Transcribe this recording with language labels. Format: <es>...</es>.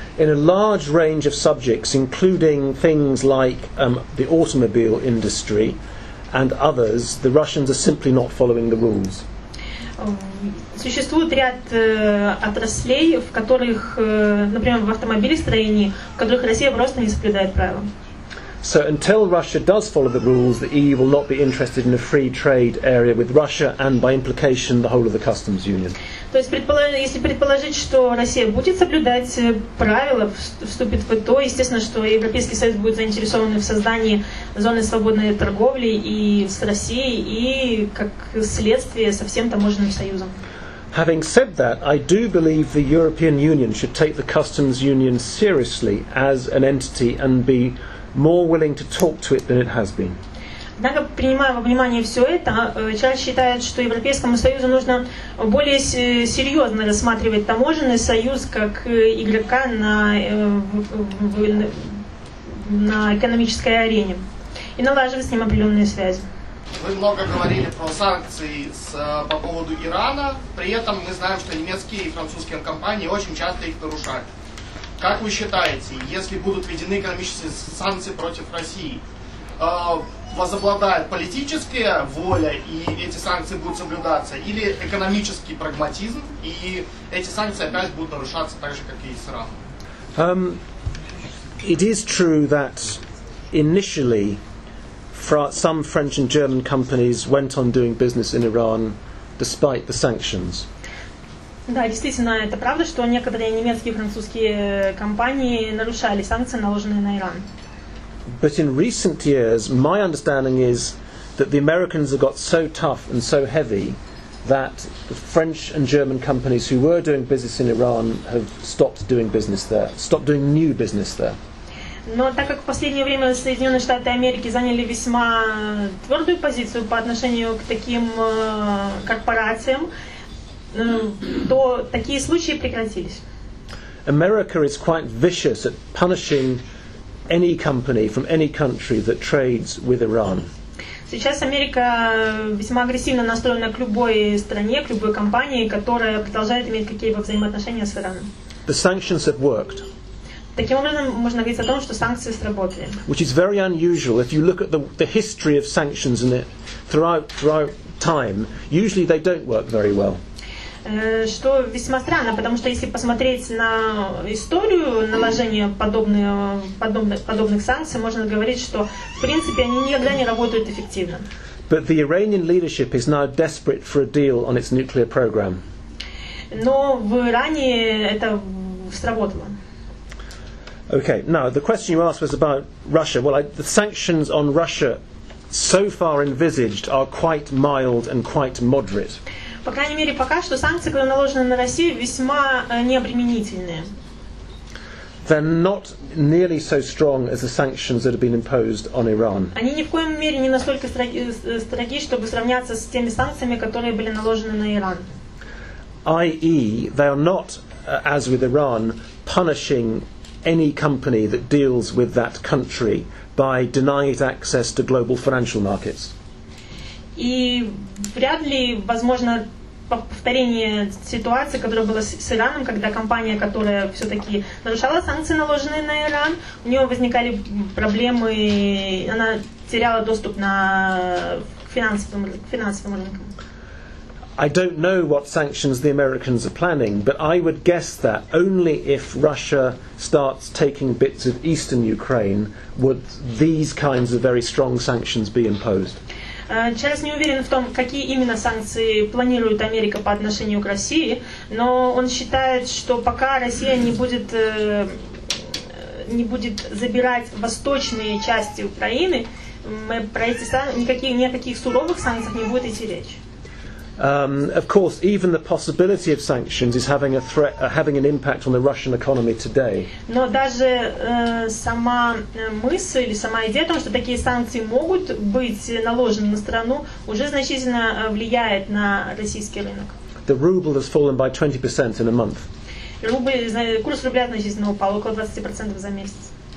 <en>In a large range of subjects, including things like the automobile industry and others, the Russians are simply not following the rules.</en> <ru>Существует ряд отраслей, в которых, например, в автомобилестроении, в которых Россия просто не соблюдает правила.</ru> <en>So until Russia does follow the rules, the EU will not be interested in a free trade area with Russia and by implication the whole of the customs union.</en> <ru>То есть, если предположить, что Россия будет соблюдать правила, вступит в ВТО, естественно, что Европейский Союз будет заинтересован в создании зоны свободной торговли и с Россией, и как следствие со всем таможенным союзом.</ru> <en>Having said that, I do believe the European Union should take the customs union seriously as an entity and be more willing to talk to it than it has been.</en> <ru>Однако, принимая во внимание все это, Чарльз считает, что Европейскому Союзу нужно более серьезно рассматривать таможенный союз как игрока на экономической арене и налаживать с ним определенные связи. Вы много говорили про санкции по поводу Ирана, при этом мы знаем, что немецкие и французские компании очень часто их нарушают. Как вы считаете, если будут введены экономические санкции против России, возобладает политическая воля и эти санкции будут соблюдаться, или экономический прагматизм и эти санкции опять будут нарушаться так же, как и с Ираном?</ru> <en>It is true that initially some French and German companies went on doing business in Iran despite the sanctions.</en> <ru>Да, действительно, это правда, что некоторые немецкие и французские компании нарушали санкции, наложенные на Иран.</ru> <en>But in recent years, my understanding is that the Americans have got so tough and so heavy that the French and German companies who were doing business in Iran have stopped doing new business there.</en> <ru>Но так как в последнее время Соединенные Штаты Америки заняли весьма твердую позицию по отношению к таким корпорациям, то такие случаи прекратились.</ru> <en>America is quite vicious at punishing any company from any country that trades with Iran.</en> <ru>Сейчас Америка весьма агрессивно настроена к любой стране, к любой компании, которая продолжает иметь какие-либо взаимоотношения с Ираном.</ru> <en>The sanctions have worked.</en> <ru>Таким образом, можно говорить о том, что санкции сработали.</ru> <en>Which is very unusual. If you look at the history of sanctions in it throughout time, usually they don't work very well.</en> <ru>Что весьма странно, потому что если посмотреть на историю наложения подобных санкций, можно говорить, что в принципе они никогда не работают эффективно.</ru> <en>But the Iranian leadership is now desperate for a deal on its nuclear program.</en> <ru>Но в Иране это сработало.</ru> <en>Okay, now the question you asked was about Russia. Well, the sanctions on Russia so far envisaged are quite mild and quite moderate.</en> <ru>По крайней мере, пока что санкции, которые наложены на Россию, весьма необременительные.</ru> <en>They're not nearly so strong as the sanctions that have been imposed on Iran.</en> <ru>Они ни в коем мере не настолько строги, чтобы сравняться с теми санкциями, которые были наложены на Иран.</ru> <en>I.e., they are not, as with Iran, punishing any company that deals with that country by denying it access to global financial markets.</en> <ru>И вряд ли возможно повторение ситуации, которая была с Ираном, когда компания, которая все-таки нарушала санкции, наложенные на Иран, у нее возникали проблемы, она теряла доступ на финансовым рынкам.</ru> <en>I don't know what sanctions the Americans are planning, but I would guess that only if Russia starts taking bits of eastern Ukraine would these kinds of very strong sanctions be imposed.</en> <ru>Чарльз не уверен в том, какие именно санкции планирует Америка по отношению к России, но он считает, что пока Россия не будет забирать восточные части Украины, никаких суровых санкций не будет идти речь.</ru> <en>Of course, even the possibility of sanctions is having a threat, having an impact on the Russian economy today.</en> <ru>Но даже сама мысль или сама идея о том, что такие санкции могут быть наложены на страну, уже значительно влияет на российский рынок.</ru> <en>The ruble has fallen by 20% in a month.</en> <ru>Курс рубля значительно упал, около 20% за месяц.</ru>